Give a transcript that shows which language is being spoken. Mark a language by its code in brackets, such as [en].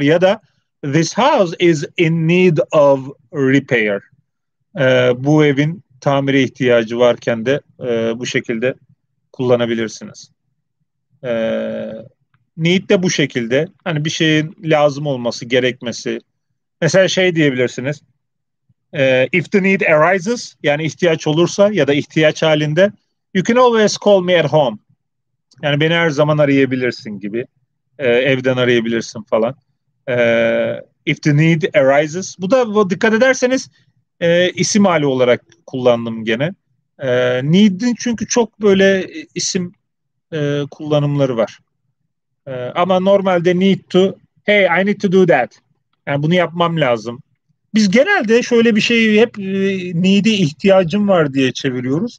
[tr] Ya da [en] this house is in need of repair. [tr] Bu evin tamire ihtiyacı varken de bu şekilde kullanabilirsiniz. Need de bu şekilde. Hani bir şeyin lazım olması, gerekmesi. Mesela şey diyebilirsiniz. [en] If the need arises, [tr] yani ihtiyaç olursa ya da ihtiyaç halinde, [en] you can always call me at home. [tr] Yani beni her zaman arayabilirsin gibi. Evden arayabilirsin falan. [en] If the need arises. [tr] Bu da dikkat ederseniz isim hali olarak kullandım gene. Need'in çünkü çok böyle isim kullanımları var. Ama normalde [en] need to, hey I need to do that. [tr] Yani bunu yapmam lazım. Biz genelde şöyle bir şeyi hep need'i ihtiyacım var diye çeviriyoruz.